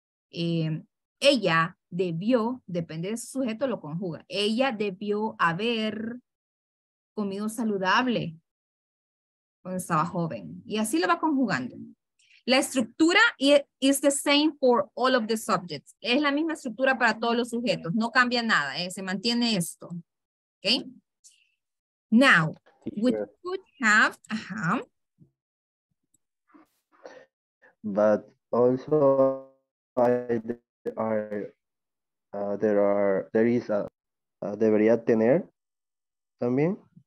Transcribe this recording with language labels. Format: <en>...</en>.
<es>Ella debió, depende de su sujeto, lo conjuga. Ella debió haber comido saludable cuando estaba joven. Y así lo va conjugando. La estructura</es> <en>is the same for all of the subjects.</en> <es>Es la misma estructura para todos los sujetos. No cambia nada. Se mantiene esto. Okay.</es> <en>Now, we could have, But also,</en> <es>debería tener también.</es>